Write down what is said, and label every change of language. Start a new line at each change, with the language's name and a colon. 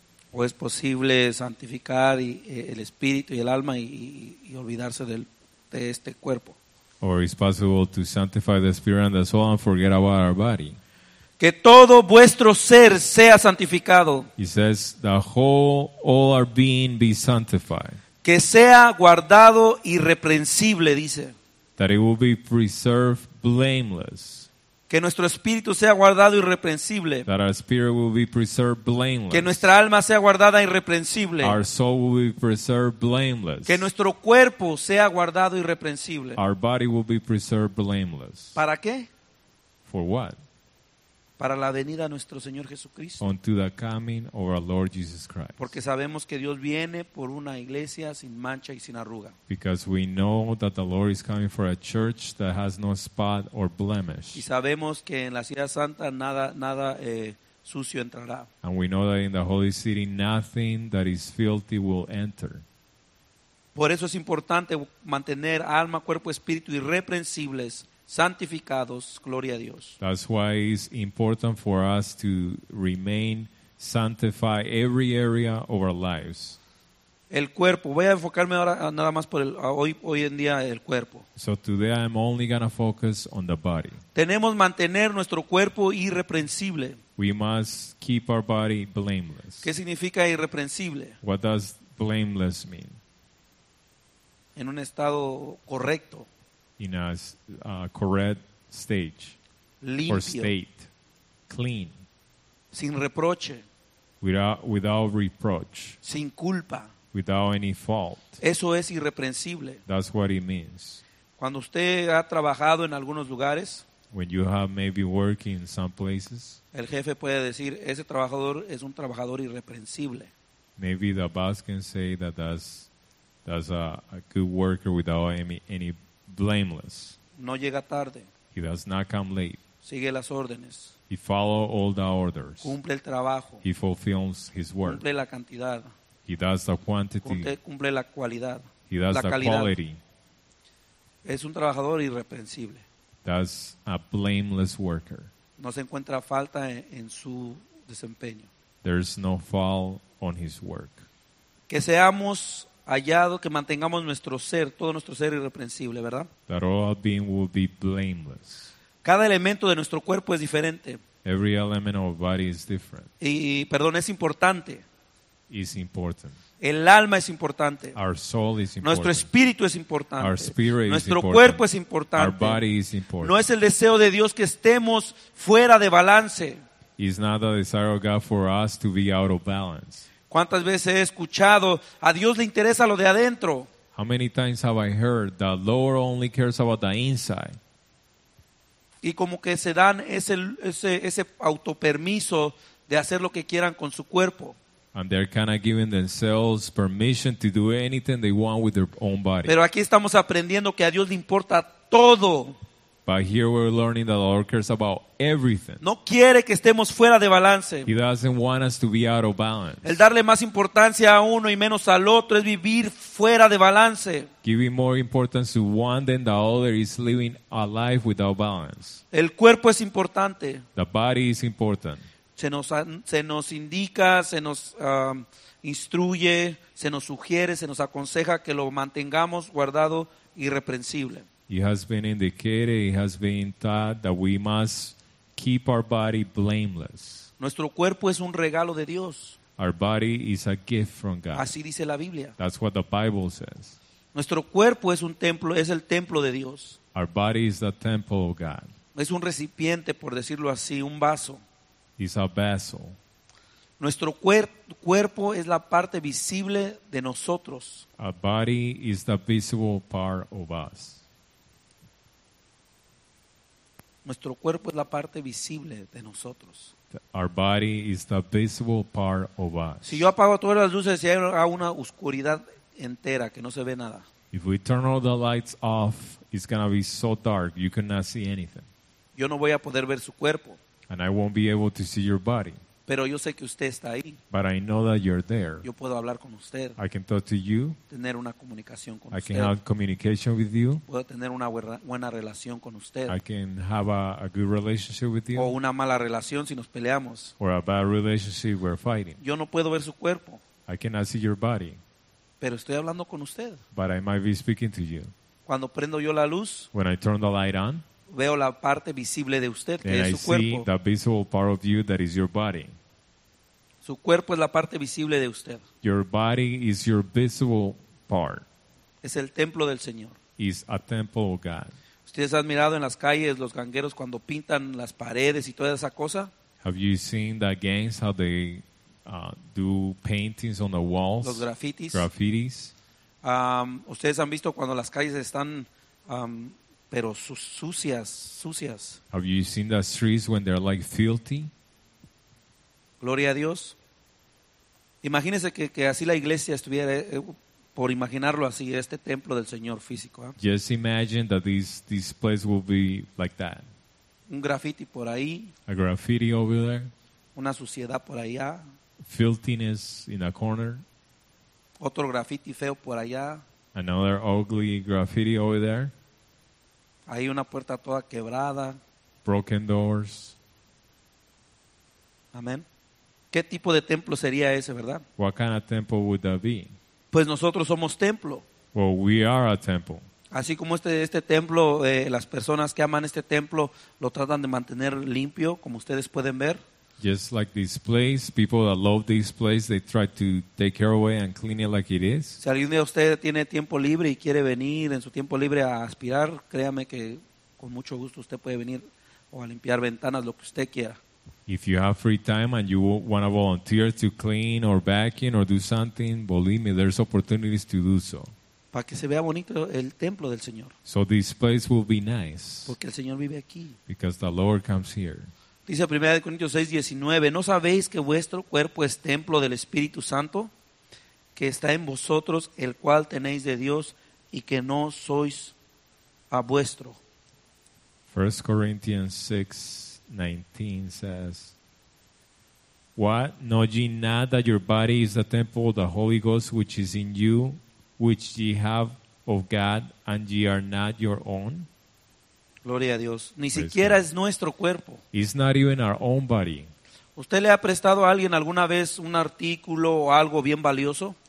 Spanish: O es posible santificar el espíritu y el alma y olvidarse de este cuerpo.
English: Or it's possible to sanctify the spirit and the soul and forget about our body.
Spanish: Que todo vuestro ser sea santificado.
English: He says the whole, all our being be sanctified.
Spanish: Que sea guardado irreprensible, dice.
English: That it will be preserved blameless.
Spanish: Que nuestro espíritu sea guardado irreprensible.
English: That our spirit will be preserved blameless.
Spanish: Que nuestra alma sea guardada irreprensible.
English: Our soul will be preserved blameless.
Spanish: Que nuestro cuerpo sea guardado irreprensible.
English: Our body will be preserved blameless.
Spanish: ¿Para qué?
English: For what?
Spanish: Para la venida de nuestro Señor Jesucristo.
English: Unto the coming of our Lord Jesus Christ.
Spanish: Porque sabemos que Dios viene por una iglesia sin mancha y sin arruga.
English: Because we know that the Lord is coming for a church that has no spot or blemish.
Spanish: Y sabemos que en la ciudad santa nada sucio entrará.
English: And we know that in the holy city nothing that is filthy will enter.
Spanish: Por eso es importante mantener alma, cuerpo, espíritu irreprensibles. Santificados, gloria a Dios.
English: That's why it's important for us to remain sanctify every area of our lives.
Spanish: El cuerpo. Voy a enfocarme ahora nada más por hoy en día el cuerpo.
English: So today I'm only going to focus on the body.
Spanish: Tenemos mantener nuestro cuerpo irreprensible.
English: We must keep our body blameless.
Spanish: ¿Qué significa irreprensible?
English: What does blameless mean?
Spanish: En un estado correcto.
English: In a correct stage.
Spanish: Limpio.
English: Or state. Clean.
Spanish: Sin reproche.
English: Without reproach.
Spanish: Sin culpa.
English: Without any fault.
Spanish: Eso es irreprensible.
English: That's what it means.
Spanish: Cuando usted ha trabajado en algunos lugares.
English: When you have maybe worked in some places.
Spanish: El jefe puede decir, ese trabajador es un trabajador irreprensible.
English: Maybe the boss can say that that's a good worker without any blameless.
Spanish: No llega tarde.
English: He does not come late.
Spanish: Sigue las órdenes.
English: He follows all the orders.
Spanish: Cumple el trabajo.
English: He fulfills his work.
Spanish: Cumple la cantidad.
English: He does the quantity.
Spanish: Cumple la cualidad.
English: He does
Spanish: la
English: the
Spanish: calidad.
English: Quality.
Spanish: Es un trabajador irreprensible.
English: That's a blameless worker.
Spanish: No se encuentra falta en su desempeño.
English: There's no fault on his work.
Spanish: Que seamos hallado, que mantengamos nuestro ser, todo nuestro ser irreprensible, ¿verdad?
English: That all being will be blameless.
Spanish: Cada elemento de nuestro cuerpo es diferente.
English: Every element of our body is different.
Spanish: Y perdón, es importante.
English: It's important.
Spanish: El alma es importante.
English: Our soul is important.
Spanish: Nuestro espíritu es importante.
English: Our spirit
Spanish: nuestro
English: is important.
Spanish: Cuerpo es importante.
English: Our body is important.
Spanish: No es el deseo de Dios que estemos fuera de balance.
English: It's not the desire of God for us to be out of balance.
Spanish: ¿Cuántas veces he escuchado a Dios le interesa lo de adentro?
English: How many times have I heard that the Lord only cares about the inside?
Spanish: Y como que se dan ese autopermiso de hacer lo que quieran con su cuerpo.
English: And they're kind of giving themselves permission to do anything they want with their own body.
Spanish: Pero aquí estamos aprendiendo que a Dios le importa todo.
English: But here we're learning that the Lord cares about everything.
Spanish: No quiere que estemos fuera de balance.
English: He doesn't want us to be out of balance.
Spanish: El darle más importancia a uno y menos al otro es vivir fuera de balance.
English: Giving more importance to one than the other is living a life without balance.
Spanish: El cuerpo es importante.
English: The body is important.
Spanish: Se nos indica, se nos instruye, se nos sugiere, se nos aconseja que lo mantengamos guardado irreprensible.
English: It has been indicated, it has been taught that we must keep our body blameless.
Spanish: Nuestro cuerpo es un regalo de Dios.
English: Our body is a gift from God.
Spanish: Así dice la Biblia.
English: That's what the Bible says.
Spanish: Nuestro cuerpo es un templo, es el templo de Dios.
English: Our body is the temple of God.
Spanish: Es un recipiente, por decirlo así, un vaso.
English: It's a vessel.
Spanish: Nuestro cuerpo es la parte visible de nosotros.
English: Our body is the visible part of us.
Spanish: Nuestro cuerpo es la parte visible de nosotros.
English: Our body is the visible part of us.
Spanish: Si yo apago todas las luces, hay una oscuridad entera que no se ve nada.
English: If we turn all the lights off, it's going to be so dark, you cannot see anything.
Spanish: Yo no voy a poder ver su cuerpo.
English: And I won't be able to see your body.
Spanish: Pero yo sé que usted está ahí.
English: But I know that you're there.
Spanish: Yo puedo hablar con usted.
English: I can talk to you.
Spanish: Tener una comunicación con
English: I
Spanish: usted.
English: Can have communication with you.
Spanish: Puedo tener una buena relación con usted.
English: I can have a good relationship with you.
Spanish: O una mala relación si nos peleamos.
English: Or a bad relationship we're fighting.
Spanish: Yo no puedo ver su cuerpo.
English: I cannot see your body.
Spanish: Pero estoy hablando con usted.
English: But I might be speaking to you.
Spanish: Cuando prendo yo la luz.
English: When I turn the light on.
Spanish: Veo la parte visible de usted, que
English: and
Spanish: es su cuerpo.
English: I see the visible part of you that is your body.
Spanish: Su cuerpo es la parte visible de usted.
English: Your body is your visible part.
Spanish: Es el templo del Señor.
English: It's a temple of God.
Spanish: ¿Ustedes han mirado en las calles los gangueros cuando pintan las paredes y toda esa cosa?
English: Have you seen the gangs how they do paintings on the walls?
Spanish: Los grafitis.
English: Graffitis.
Spanish: ¿Ustedes han visto cuando las calles están pero sucias, sucias?
English: Have you seen the streets when they're like filthy?
Spanish: Gloria a Dios. Imagínese que así la iglesia estuviera, por imaginarlo así, este templo del Señor físico. ¿Eh?
English: Just imagine that this place will be like that.
Spanish: Un graffiti por ahí.
English: A graffiti over there.
Spanish: Una suciedad por allá.
English: Filthiness in a corner.
Spanish: Otro graffiti feo por allá.
English: Another ugly graffiti over there.
Spanish: Ahí una puerta toda quebrada.
English: Broken doors.
Spanish: Amén. ¿Qué tipo de templo sería ese, verdad?
English: What kind of temple would that be?
Spanish: Pues nosotros somos templo.
English: Well, we are a temple.
Spanish: Así como este templo, las personas que aman este templo lo tratan de mantener limpio, como ustedes pueden ver.
English: Just like this place, people that love this place, they try to take care of it and clean it like it is.
Spanish: Si algún día usted tiene tiempo libre y quiere venir en su tiempo libre a aspirar, créame que con mucho gusto usted puede venir o a limpiar ventanas, lo que usted quiera.
English: If you have free time and you want to volunteer to clean or vacuum or do something, believe me, there's opportunities to do so.
Spanish: Para que se vea bonito el templo del Señor.
English: So this place will be nice.
Spanish: Porque el Señor vive aquí.
English: Because the Lord comes here.
Spanish: Dice 1 Corintios 6:19, ¿no sabéis que vuestro cuerpo es templo del Espíritu Santo, que está en vosotros, el cual tenéis de Dios y que no sois a vuestro?
English: 1 Corinthians 6:19 says, what, know ye not that your body is the temple of the Holy Ghost which is in you, which ye have of God, and ye are not your own?
Spanish: Gloria a Dios. Ni siquiera es nuestro cuerpo.
English: It's not even our own body.
Spanish: ¿Usted le ha prestado a alguien alguna vez un artículo o algo bien valioso?